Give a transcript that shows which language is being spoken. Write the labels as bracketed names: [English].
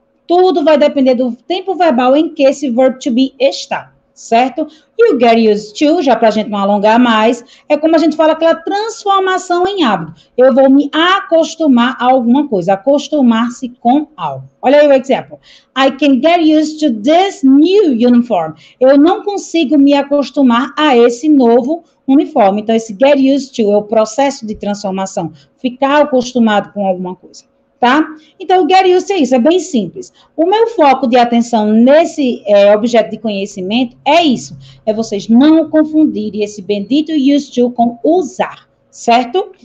[Portuguese] Tudo vai depender do tempo verbal em que esse verb to be está, certo? E o get used to, já para a gente não alongar mais, é como a gente fala aquela transformação em hábito. Eu vou me acostumar a alguma coisa, acostumar-se com algo. Olha aí o exemplo. [English] I can get used to this new uniform. [Portuguese] Eu não consigo me acostumar a esse novo uniforme. Então, esse get used to é o processo de transformação, ficar acostumado com alguma coisa. Tá? Então, o get used é isso, é bem simples. O meu foco de atenção nesse objeto de conhecimento é isso, é vocês não confundirem esse bendito used to com usar, certo?